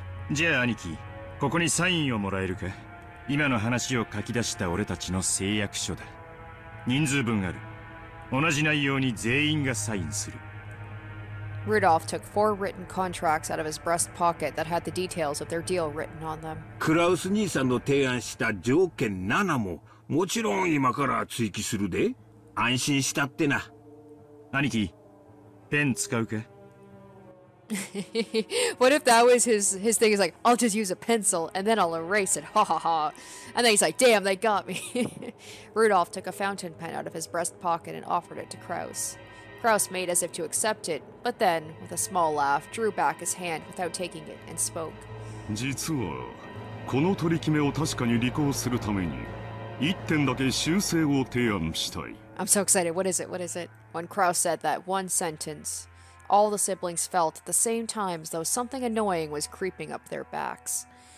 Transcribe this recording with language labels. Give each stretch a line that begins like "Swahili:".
Japanese: じゃあ兄貴、ここにサインをもらえるか。今の話を書き出した俺たちの誓約書だ。人数分ある。同じ内容に全員がサインする。
English: Rudolph took four written contracts out of his breast pocket that had the details of their deal written on them.
Japanese: クラウス兄さんの提案した条件7ももちろん今から追記するで。安心したってな。兄貴、ペン使うか。
English: What if that was his thing? He's like, I'll just use a pencil and then I'll erase it. Ha ha ha. And then he's like, damn, they got me. Rudolph took a fountain pen out of his breast pocket and offered it to Kraus. Kraus made as if to accept it, but then, with a small laugh, drew back his hand without taking it and spoke.
Japanese: 実は、この取り決めを確かに履行するために、一点だけ修正を提案したい。
English: I'm so excited. What is it? What is it? When Kraus said that one sentence, all the siblings felt at the same time as though something annoying was creeping up their backs.